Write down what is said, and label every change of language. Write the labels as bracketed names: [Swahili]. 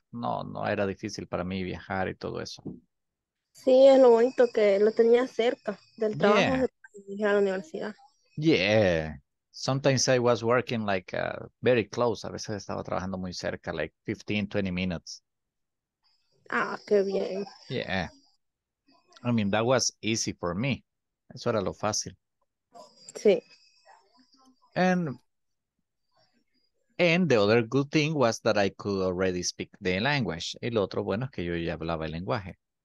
[Spanish] No era difícil para mí viajar y todo eso. Sí, es lo bonito que lo tenía cerca del trabajo de a la universidad. [English] Yeah. Sometimes I was working like very close. [Spanish] A veces estaba trabajando muy cerca, [English] like 15-20 minutes. [Spanish] Ah, qué bien. [English] Yeah. I mean, that was easy for me. [Spanish] Eso era lo fácil. Sí. [English] And the other good thing was that I could already speak the language. [Spanish] Y lo otro bueno es que yo ya hablaba el lenguaje.